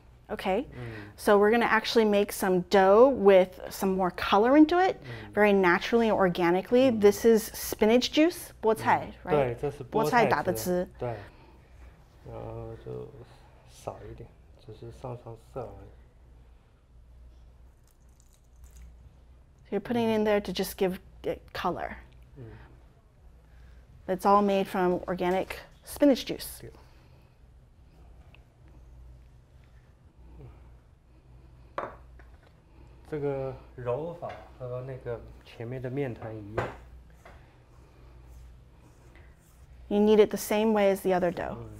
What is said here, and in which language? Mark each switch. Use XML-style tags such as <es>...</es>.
<en>Okay, so we're going to actually make some dough with some more color into it, very naturally and organically. This is spinach juice, 菠菜, right?</en> <zh>对，这是菠菜籽。对，然后就少一点，只是上上色而已。</zh> <en>You're putting it in there to just give it color. It's all made from organic spinach juice.</en> <zh>这个揉法和那个前面的面团一样。</zh> <en>You knead it the same way as the other dough.</en>